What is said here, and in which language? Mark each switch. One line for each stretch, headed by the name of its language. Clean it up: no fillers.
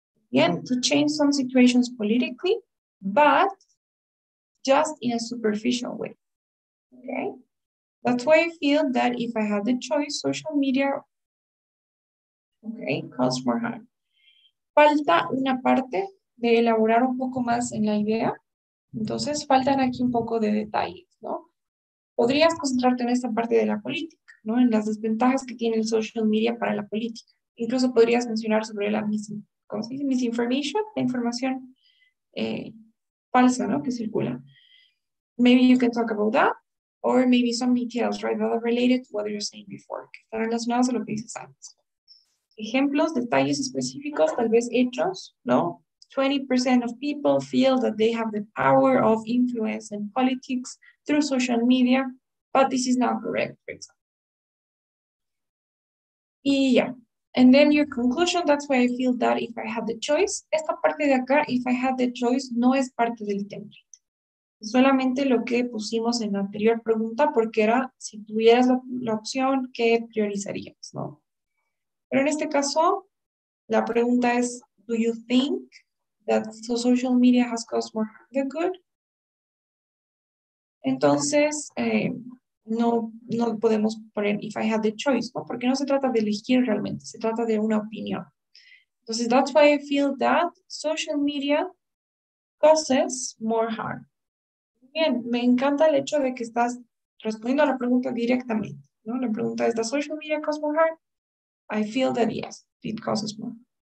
English: Bien, to change some situations politically, but just in a superficial way. Okay? That's why I feel that if I had the choice, social media, okay, caused more harm.
Spanish: Falta una parte de elaborar un poco más en la idea. Entonces, faltan aquí un poco de detalles, ¿no? Podrías concentrarte en esta parte de la política, ¿no? En las desventajas que tiene el social media para la política. Incluso podrías mencionar sobre la misinformation, la información falsa, ¿no? Que circula.
English: Maybe you can talk about that, or maybe some details, right? That are related to what you're saying before,
Spanish: que están relacionados a lo que dices antes. Ejemplos, detalles específicos, tal vez hechos, ¿no?
English: 20% of people feel that they have the power of influence in politics through social media, but this is not correct, for example. Y yeah, and then your conclusion, that's why I feel that if I had the choice,
Spanish: esta parte de acá,
English: if I had the choice,
Spanish: no es parte del template. Es solamente lo que pusimos en la anterior pregunta, porque era, si tuvieras la opción, ¿qué priorizarías, no? Pero en este caso, la pregunta es,
English: do you think that social media has caused more harm than good?
Spanish: Entonces, no podemos poner
English: if I had the choice,
Spanish: ¿no? Porque no se trata de elegir realmente, se trata de una opinión.
English: Entonces, that's why I feel that social media causes more harm.
Spanish: Bien, me encanta el hecho de que estás respondiendo a la pregunta directamente, ¿no? La pregunta es,
English: ¿does social media cause more harm? I feel that yes, it causes more harm.